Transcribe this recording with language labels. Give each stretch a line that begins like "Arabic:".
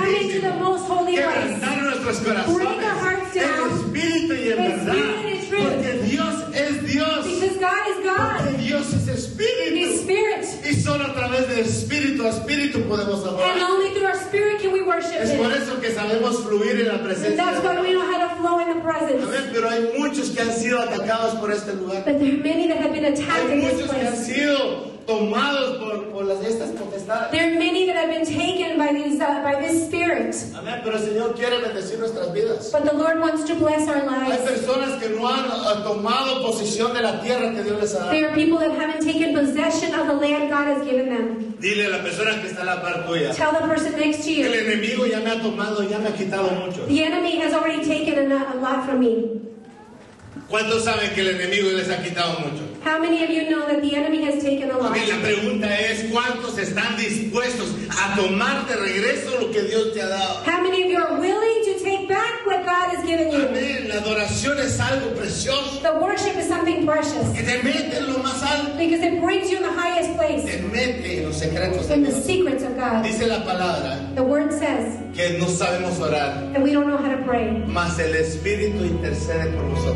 English: Come into the most holy place.
Spanish: Nuestros corazones.
English: Bring our hearts down.
Spanish: En espíritu y en verdad. Porque Dios es Dios.
English: Because God is God.
Spanish: Porque Dios es espíritu.
English: He's spirit.
Spanish: Y solo a través de espíritu a espíritu podemos adorar.
English: And only through our spirit can we worship.
Spanish: Es por eso que sabemos fluir en la presencia.
English: That's why we know how to flow in the presence.
Spanish: Amén. Pero hay muchos que han sido atacados por este lugar.
English: But there are many that have been attacked in this place.
Spanish: Hay muchos que han sido tomados por estas potestades.
English: There are many that have been taken by this spirit.
Spanish: Amén. Pero el Señor quiere bendecir nuestras vidas.
English: But the Lord wants to bless our lives.
Spanish: Hay personas que no han tomado posesión de la tierra que Dios les ha dado.
English: There are people that haven't taken possession of the land God has given them.
Spanish: Dile a la persona que está a la par tuya.
English: Tell the person next to you.
Spanish: El enemigo ya me ha tomado, ya me ha quitado mucho.
English: The enemy has already taken a lot from me.
Spanish: ¿Cuántos saben que el enemigo les ha quitado mucho?
English: How many of you know that the enemy has taken a lot?
Spanish: La pregunta es, ¿cuántos están dispuestos a tomar de regreso lo que Dios te ha dado?
English: How many of you are willing to take back what God has given you?
Spanish: Amén. La adoración es algo precioso.
English: The worship is something precious.
Spanish: Que te mete en lo más alto.
English: Because it brings you in the highest place.
Spanish: Te mete en los secretos de Dios.
English: In the secrets of God.
Spanish: Dice la palabra.
English: The word says.
Spanish: Que no sabemos orar.
English: That we don't know how to pray.
Spanish: Mas el Espíritu intercede por nosotros.